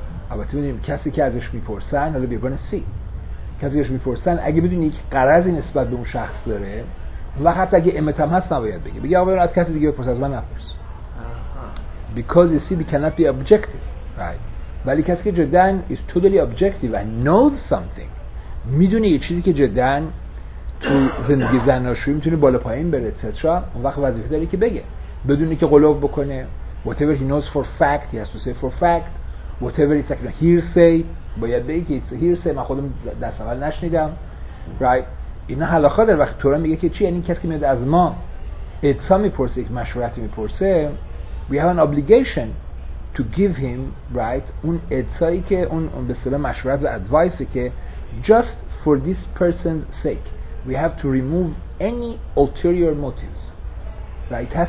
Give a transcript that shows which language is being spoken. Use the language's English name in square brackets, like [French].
[Persian] البته بدونیم کسی که ازش میپرسن حالا بیبان سی کسی ازش میپرسن اگه بدونی که قرضی نسبت به اون شخص داره و حتی اگه امتم هست نباید بگی بگی آقا از کسی دیگه بپرس از من نپرس. [English] Because you see we cannot be objective. [Persian] right. ولی کسی که جدن [English] is totally objective and knows something، [Persian] میدونه یه چیزی که جدن تو زندگی زناشویی میتونه بالا پایین بره etc، اون وقت وظیفه داره که بگه بدونه که قلوب بکنه. [English] Whatever he knows for fact he has to say for fact. Whatever it's like hearsay [Persian] باید بگه که it's hearsay، من خودم دست اول نشنیدم، right؟ اینا حلاخا در وقت تورا میگه که چی؟ یعنی کسی که میاد از ما اتسا میپرسه، یک مشورتی میپرسه، [English] we have an obligation to give him right [Persian] اون اتسایی که اون به سبب مشورت و ادوایسی که [English] just for this person's sake we have to remove any ulterior motives right.